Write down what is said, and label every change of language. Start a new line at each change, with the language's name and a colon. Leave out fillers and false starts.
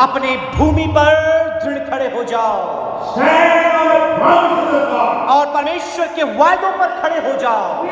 Hindi: अपने भूमि पर दृढ़ खड़े हो जाओ,
English: Stand on the promises of God.
Hindi: और परमेश्वर के वायदों पर खड़े हो जाओ।